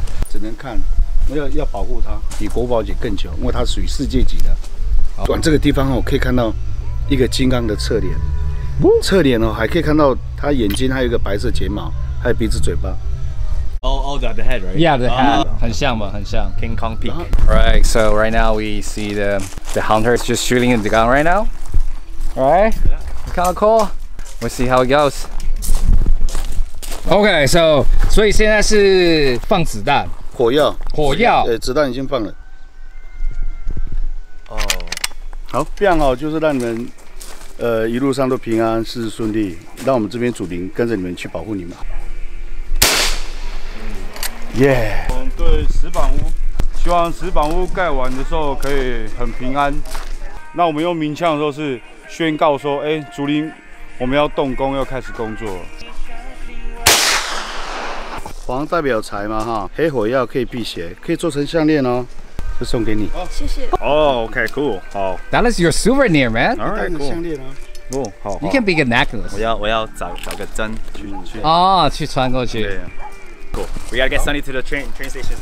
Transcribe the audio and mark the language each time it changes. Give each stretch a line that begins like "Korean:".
Chinese: 只能看，要保护它，比国宝级更久，因为它属于世界级的。往这个地方哦，可以看到一个金刚的侧脸，侧脸哦，还可以看到它眼睛，还有一个白色睫毛，还有鼻子、嘴巴。
English: The head, right? Yeah, the head.
Chinese: 很像嘛，很像
English: King Kong Peak. Right. So right now we see the hunters just shooting the gun right now. Right. Yeah. Kind of cool. We'll see how it goes. OK， so
Chinese: 所以现在是放子弹，火药，火药，对，子弹已经放了。哦、oh. ，好，非常好，就是让你们一路上都平安，事事顺利，让我们这边主灵跟着你们去保护你们。耶、yeah. ！我们对石板屋，希望石板屋盖完的时候可以很平安。那我们用鸣枪的时候是宣告说：“哎，竹林，我们要动工，要开始工作。” 黄代表财嘛，哈，黑火药可以辟邪，可以做成项链哦，就送给你。好、 oh, ，谢谢。哦、oh, ，OK，cool，、okay, 好。
English: That is your souvenir, man. All right, cool.
Chinese: 项链啊。哦，好。
English: You can be a necklace.
Chinese: 我要找个针去。哦、oh, ，去穿过去。
English: Okay. Cool. We gotta get Sunny to the train stations.